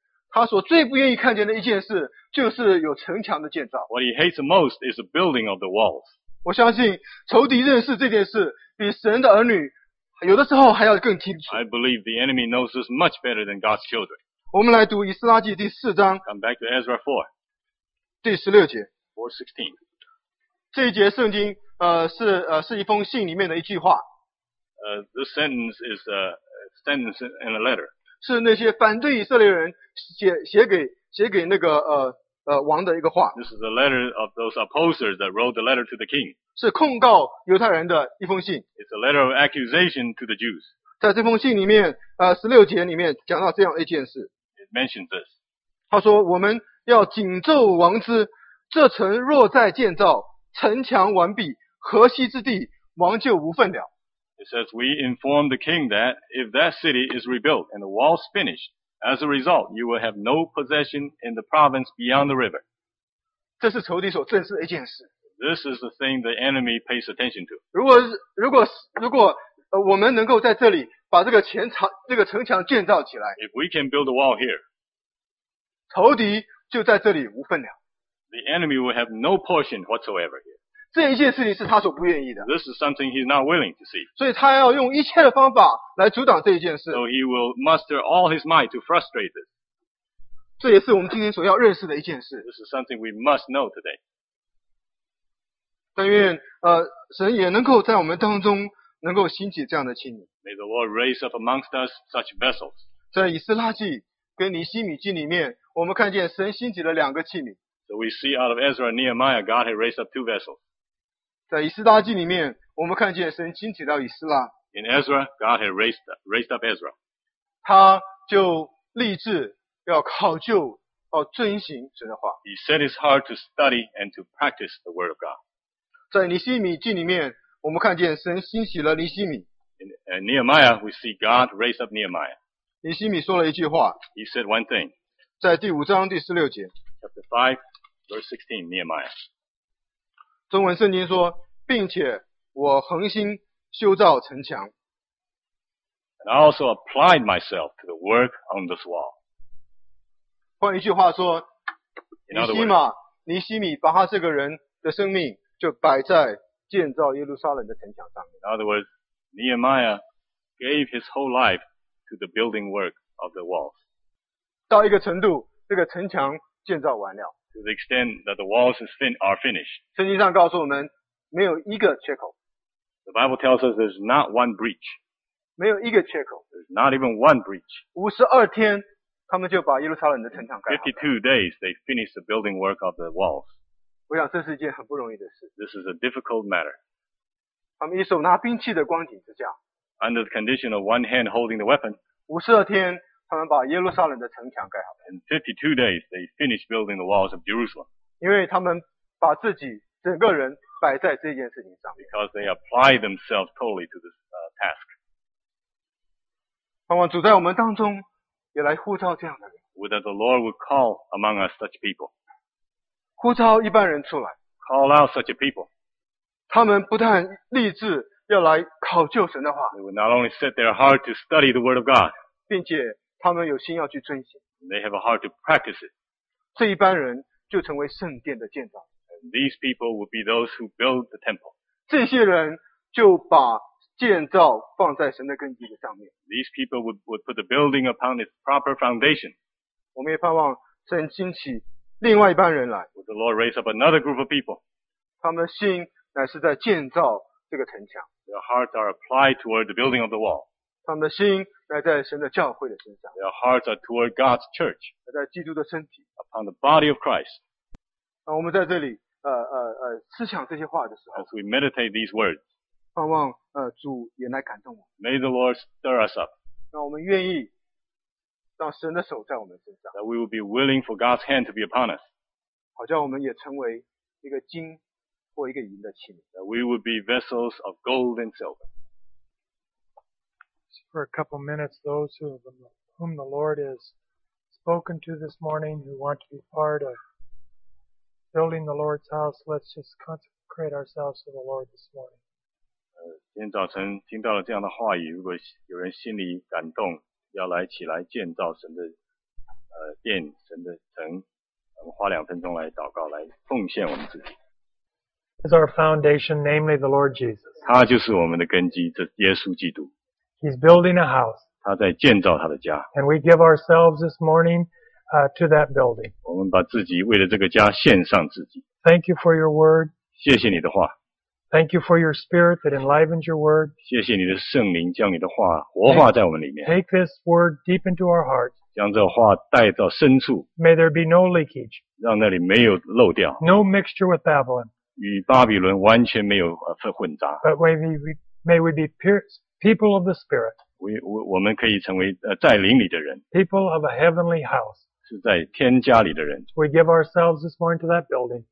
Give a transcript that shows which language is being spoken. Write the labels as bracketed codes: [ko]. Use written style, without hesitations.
[zh] 他所最不愿意看见的一件事就是有城墙的建造。 [en] What he hates the most is the building of the walls. [zh] 我相信仇敌认识这件事比神的儿女有的时候还要更清楚。 [en] I believe the enemy knows this much better than God's children. [zh] 我们来读以斯拉记第四章。 [en] Come back to Ezra 4. [zh] 第十六节。 [en] 4:16. [zh] 这一节圣经是一封信里面的一句话。 [en] This sentence is a sentence in a letter. [zh] 是那些反对以色列人写给那个王的一个话。 [en] This is a letter of those opposers that wrote the letter to the king. [zh] 是控告犹太人的一封信。 [en] It's a letter of accusation to the Jews. [zh] 在这封信里面，十六节里面讲到这样一件事。 [en] It mentions this. [zh] 他说：“我们要警咒王之，这城若再建造，城墙完毕，河西之地，王就无份了。” [en] It says, "We inform the king that if that city is rebuilt and the walls finished." As a result, you will have no possession in the province beyond the river. [zh] 这是仇敌所正视的一件事。 [en] This is the thing the enemy pays attention to. [zh] 如果我们能够在这里把这个城墙建造起来。 [en] If we can build a wall here, [zh] 仇敌就在这里无分了。 [en] The enemy will have no portion whatsoever here. [zh] 这一件事情是他所不愿意的。 [en] This is something he's not willing to see. [zh] 所以他要用一切的方法来阻挡这一件事。 [en] So he will muster all his might to frustrate this. [zh] 这也是我们今天所要认识的一件事。 [en] This is something we must know today. [zh] 但愿神也能够在我们当中能够兴起这样的器皿。 [en] May the Lord raise up amongst us such vessels. [zh] 在以斯拉记跟尼希米记里面，我们看见神兴起了两个器皿。 [en] So we see out of Ezra and Nehemiah, God had raised up two vessels. [zh] 在以斯拉记里面，我们看见神兴起到以斯拉。 [en] In Ezra, God had raised up Ezra. [zh] 他就立志要考究，遵行神的话。 [en] He set his heart to study and to practice the word of God. [zh] 在尼希米记里面，我们看见神兴起了尼希米。 [en] In Nehemiah, we see God raised up Nehemiah. [zh] 尼希米说了一句话。 [en] He said one thing. [zh] 在第五章第十六节。 [en] Chapter 5, verse 16, Nehemiah. [zh] 中文圣经说，并且我恒心修造城墙。 [en] And I also applied myself to the work on this wall. [zh] 换一句话说，尼希米把他这个人的生命就摆在建造耶路撒冷的城墙上面。 [en] In other words, Nehemiah gave his whole life to the building work of the walls. [zh] 到一个程度，这个城墙建造完了。 [en] To the extent that the walls are finished. [zh] 圣经上告诉我们，没有一个缺口。 [en] The Bible tells us there's not one breach. [zh] 没有一个缺口。 [en] There's not even one breach. [zh] 52天他们就把耶路撒冷的城墙盖好了。 [en] 52 days they finished the building work of the walls. [zh] 我想这是一件很不容易的事。 [en] This is a difficult matter. [zh] 他们一手拿兵器的光景之下。 [en] Under the condition of one hand holding the weapon. [zh] 52天他们把耶路撒冷的城墙盖好了。 [en] In 52 days they finished building the walls of Jerusalem. [zh] 因为他们把自己整个人摆在这件事情上。 [en] Because they apply themselves totally to this task. [zh] 盼望主在我们当中也来呼召这样的人。 [en] Would that the Lord would call among us such people. [zh] 呼召一般人出来。 [en] Call out such a people. [zh] 他们不但立志要来考究神的话。 [en] They would not only set their heart to study the word of God. [zh] 并且他们有心要去遵行。 [en] They have a heart to practice it. [zh] 这一般人就成为圣殿的建造。 [en] These people would be those who build the temple. [zh] 这些人就把建造放在神的根基的上面。 [en] These people would put the building upon its proper foundation. [zh] 我们也盼望神兴起另外一班人来。 [en] Would the Lord raise up another group of people? [zh] 他们的心乃是在建造这个城墙。 [en] Their hearts are applied toward the building of the wall. [zh] 他们的心乃在神的教会的身上。 [en] Their hearts are toward God's church. [zh] 乃在基督的身体。 [en] Upon the body of Christ. [zh] 我们在这里思想这些话的时候 [en] As we meditate these words, [zh] 盼望主也来感动我们。 [en] May the Lord stir us up. [zh] 让我们愿意让神的手在我们身上。 [en] That we will be willing for God's hand to be upon us. [zh] 好叫我们也成为一个金或一个银的器皿。 [en] That we will be vessels of gold and silver. For a couple minutes, those whom the Lord has spoken to this morning who want to be part ofBuilding the Lord's house, let's just consecrate ourselves to the Lord this morning. [zh] 今天早晨听到了这样的话语，如果有人心里感动，要来起来建造神的殿、神的城，我们花两分钟来祷告，来奉献我们自己。 [en] Is our foundation, namely the Lord Jesus. [zh] 他就是我们的根基，这耶稣基督。 [en] He's building a house. [zh] 他在建造他的家。 [en] And we give ourselves this morning. To that building. [zh] 我们把自己为了这个家献上自己。 [en] Thank you for your word. [zh] 谢谢你的话。 [en] Thank you for your spirit that enlivens your word. [zh] 谢谢你的圣灵将你的话活化在我们里面。 [en] Take this word deep into our hearts. [zh] 将这话带到深处。 [en] May there be no leakage. [zh] 让那里没有漏掉。 [en] No mixture with Babylon. [zh] 与巴比伦完全没有混杂。 [en] But may we be people of the spirit. [zh] 我们可以成为在灵里的人。 [en] People of a heavenly house. [zh] 是在天家里的人。 [en] We give ourselves this morning to that building.